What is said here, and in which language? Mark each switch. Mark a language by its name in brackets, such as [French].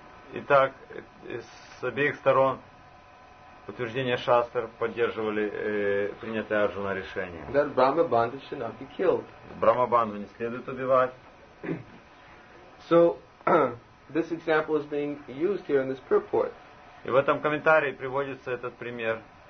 [Russian] Итак, с обеих сторон утверждения шастр поддерживали принятое Арджуна решение. [English] That Brahma Bandhu should not be killed. [Russian] Брахма Бандху не следует убивать. [English] So this example is being used here in this purport. [Russian] И в этом комментарии приводится этот пример.